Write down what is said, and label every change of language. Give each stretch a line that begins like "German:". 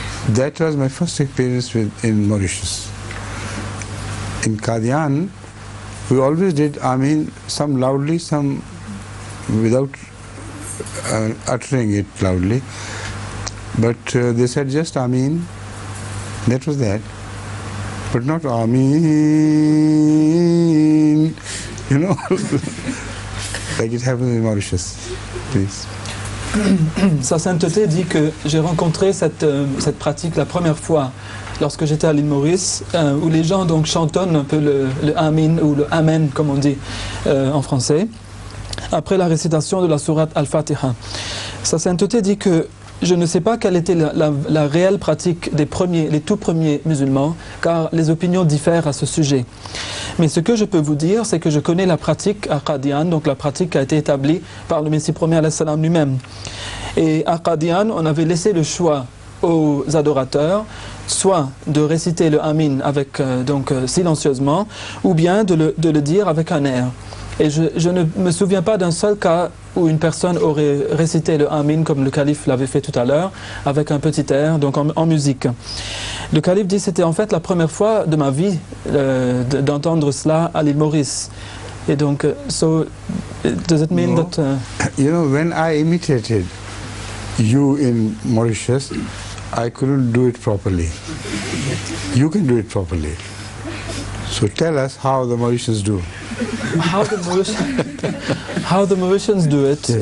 English: That was my first experience in Mauritius. In Qadian, we always did Amin, some loudly, some without uttering it loudly. But they said just Amin. That was that. But not Amin, you know, like it happens in Mauritius, please.
French: Sa Sainteté dit que j'ai rencontré cette pratique la première fois lorsque j'étais à l'île Maurice, où les gens donc chantonnent un peu le Amin, ou le Amen, comme on dit en français, après la récitation de la sourate Al-Fatiha. Sa Sainteté dit que je ne sais pas quelle était la réelle pratique des premiers, les tout premiers musulmans, car les opinions diffèrent à ce sujet. Mais ce que je peux vous dire, c'est que je connais la pratique à Qadian, donc la pratique qui a été établie par le Messie premier alayhi salam lui-même. Et à Qadian, on avait laissé le choix aux adorateurs, soit de réciter le Amin avec, silencieusement, ou bien de le dire avec un air. Et je ne me souviens pas d'un seul cas où une personne aurait récité le Amin comme le calife l'avait fait tout à l'heure, avec un petit air, donc en musique. Le calife dit que c'était en fait la première fois de ma vie d'entendre cela à l'île Maurice. Et donc,
English: so, does it mean no. that... You know, when I imitated you in Mauritius, I couldn't do it properly. You can do it properly. So tell us how the Mauritians do. How the Mauritians do it, yes.